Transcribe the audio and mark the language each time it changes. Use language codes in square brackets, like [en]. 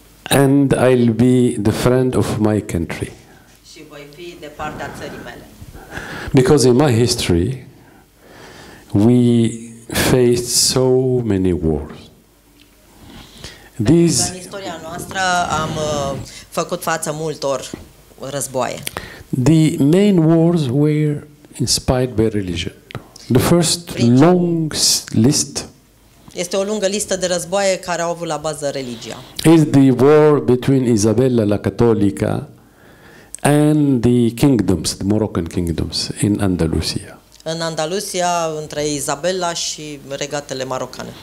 [en] And I'll be the friend of my country. [ro] Și voi fi de partea țării mele. [en] Because in my history, we faced so many wars. [ro] These, în istoria noastră am făcut față multor războaie. [en] The main wars were inspired by religion. The first long list. [ro] Este o lungă listă de războaie care au avut la bază religia. [en] Is the war between Isabella la Catolica and the kingdoms, the Moroccan kingdoms in Andalusia. [ro] În Andalusia între Isabella și regatele marocane.